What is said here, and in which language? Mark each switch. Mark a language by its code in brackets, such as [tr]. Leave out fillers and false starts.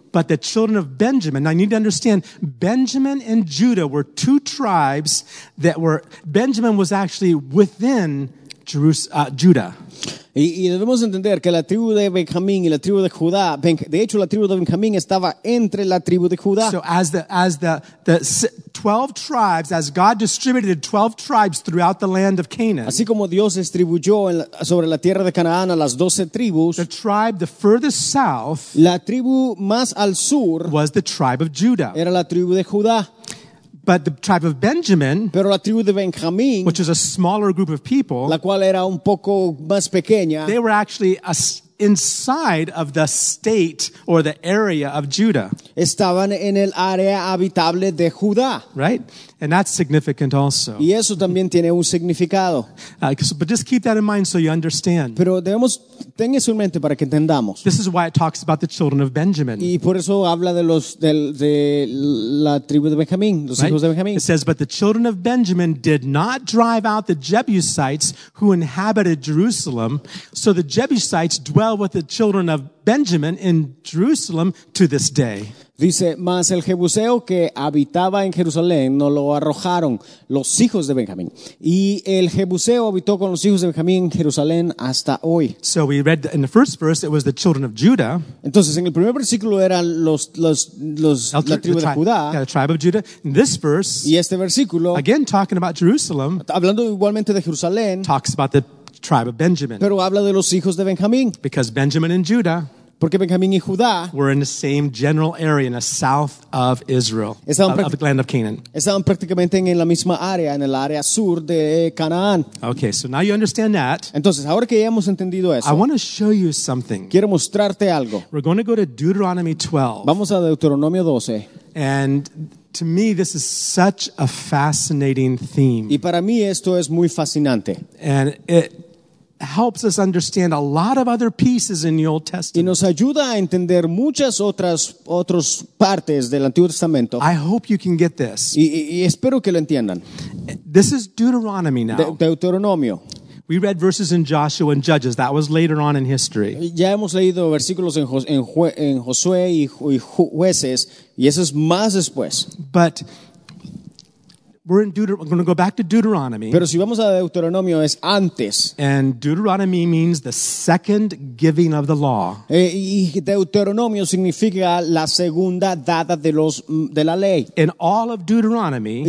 [en] But the children of Benjamin, now you need to understand, Benjamin and Judah were two tribes that were, Benjamin was actually within Judah. [es] Y debemos entender que la tribu de Benjamín y la tribu de Judá, de hecho la tribu de Benjamín estaba entre la tribu de Judá. [en] So as the 12 tribes, as God distributed 12 tribes throughout the land of Canaan. [es] Así como Dios distribuyó sobre la tierra de Canaán a las 12 tribus. [en] The tribe the furthest south, [es] la tribu más al sur, [en] was the tribe of Judah. [es] Era la tribu de Judá. [en] But the tribe of Benjamin, [es] pero la tribu de Benjamín, [en] which is a smaller group of people, [es] la cual era un poco más pequeña, [en] they were actually inside of the state or the area of Judah. [es] Estaban en el área habitable de Judá. [en] Right? And that's significant also. [es] Y eso también tiene un significado. [en] But just keep that in mind so you understand. [es] Pero debemos tener eso en mente para que entendamos. [en] This is why it talks about the children of Benjamin. [es] Y por eso habla de los de la tribu de Benjamín, los hijos de Benjamín. [en] It says, but the children of Benjamin did not drive out the Jebusites who inhabited Jerusalem, so the Jebusites dwell with the children of Benjamin in Jerusalem to this day. [es] Dice, mas el jebuseo que habitaba en Jerusalén no lo arrojaron los hijos de Benjamín. Y el jebuseo habitó con los hijos de Benjamín en Jerusalén hasta hoy. [en] So we read in the first verse it was the children of Judah. [es] Entonces en el primer versículo eran la tribu de Judá. [en] Yeah, the tribe of Judah. In this verse, [es] y este versículo, [en] again talking about Jerusalem, [es] hablando igualmente de Jerusalén, [en] talks about the tribe of Benjamin. [es] Pero habla de los hijos de Benjamín. [en] Because Benjamin and Judah, [es] porque Benjamín y Judá, [en] were in the same general area in the south of Israel, of the land of Canaan. [es] Estaban prácticamente en la misma área, en el área sur de Canaán. [en] Okay, so now you understand that. [es] Entonces, ahora que ya hemos entendido eso, [en] I want to show you something. [es] Quiero mostrarte algo. [en] We're going to go to Deuteronomy 12. [es] Vamos a Deuteronomio 12. [en] And to me, this is such a fascinating theme. [es] Y para mí esto es muy fascinante. [en] And it helps us understand a lot of other pieces in the Old Testament. [es] Y nos ayuda a entender muchas otras partes del Antiguo Testamento. [en] I hope you can get this. [es] Y espero que lo entiendan. [en] This is Deuteronomy now. [es] Deuteronomio. [en] We read verses in Joshua and Judges. That was later on in history. [es] Ya hemos leído versículos en Josué y Jueces, y eso es más después. [en] But we're going to go back to Deuteronomy. [es] Pero si vamos a Deuteronomio es antes. [en] And Deuteronomy means the second giving of the law. [es] Y Deuteronomio significa la segunda dada de la ley. [en] And all of Deuteronomy,